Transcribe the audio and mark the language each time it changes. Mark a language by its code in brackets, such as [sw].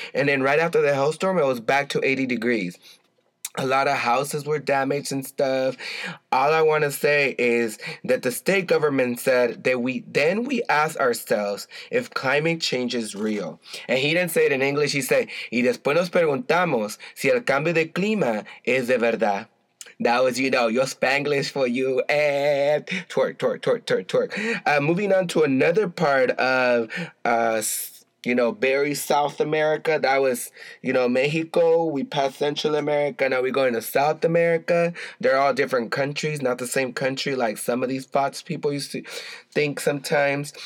[en] And then right after the hailstorm, it was back to 80 degrees. A lot of houses were damaged and stuff. All I want to say is that the state government said that we ask ourselves if climate change is real. And he didn't say it in English. He said, [es] y después nos preguntamos si el cambio de clima es de verdad. [en] That was, you know, your Spanglish for you. And twerk. Moving on to another part of, you know, very South America. That was, you know, Mexico. We passed Central America. Now we're going to South America. They're all different countries, not the same country like some of these Fox people used to think sometimes.